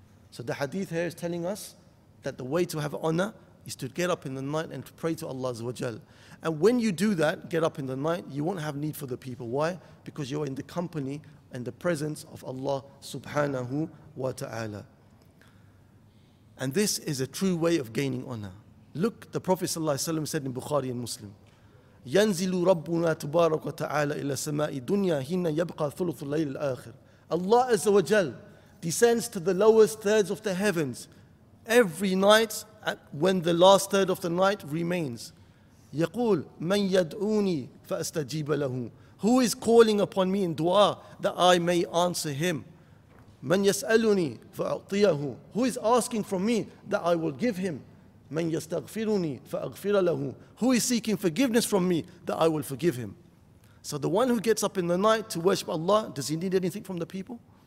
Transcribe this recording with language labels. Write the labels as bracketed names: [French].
[English] So the hadith here is telling us that the way to have honor is to get up in the night and to pray to Allah azza wa jal. And when you do that, get up in the night, you won't have need for the people. Why? Because you're in the company and the presence of Allah subhanahu wa ta'ala. And this is a true way of gaining honor. Look, the Prophet sallallahu alaihi wasallam said in Bukhari and Muslim, [Arabic] ينزل ربنا تبارك وتعالى إلى سماء الدنيا هنا يبقى ثلث الليل الآخر. [English] Allah Azza wa Jal descends to the lowest thirds of the heavens every night when the last third of the night remains. [Arabic] يقول من يدعوني فأستجيب له. [English] Who is calling upon me in dua that I may answer him? [Arabic] من يسألني فأعطيه. [English] Who is asking from me that I will give him? [Arabic] مَنْ يَسْتَغْفِرُنِي فَأَغْفِرَ لَهُ. [English] Who is seeking forgiveness from me that I will forgive him? So the one who gets up in the night to worship Allah, does he need anything from the people?